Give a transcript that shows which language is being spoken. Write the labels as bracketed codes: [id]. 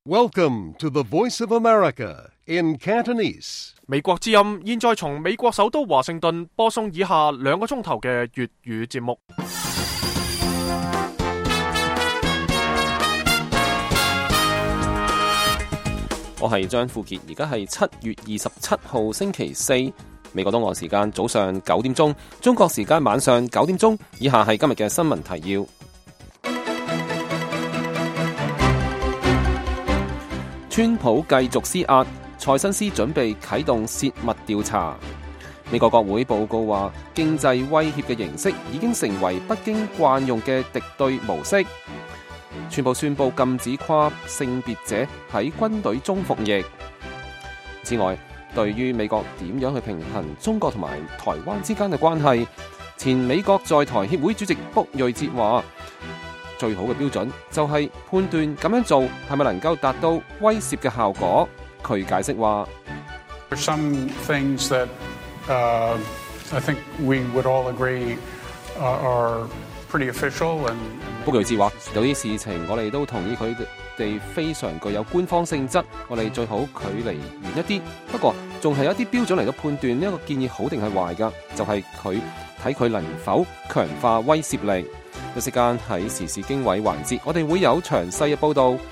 [en] Welcome to the Voice of America in Cantonese. [zh] 美国之音现在从美国首都华盛顿播送以下两个钟头的粤语节目。我是张富杰，现在是7月27号星期四，美国东岸时间早上9点钟，中国时间晚上9点钟。以下是今天的新闻提要。川普继续施压，蔡新斯准备启动泄密调查。美国国会报告说，经济威胁的形式已经成为北京惯用的敌对模式。川普宣布禁止跨性别者在军队中服役。此外，对于美国怎样去平衡中国和台湾之间的关系，前美国在台协会主席卜瑞哲说，最好的标准就是判断这样做是否能够达到威慑的效果。他解释说， [en] There are some things that I think we would all agree are pretty official. [zh] 卜瑞哲说，有些事情我们都同意他们非常具有官方性质，我们最好距离远一些。不过还是有一些标准来判断这个建议好定是坏的，就是他看他能否强化威慑力。一时间在时事经纬环节，我们会有详细的报道。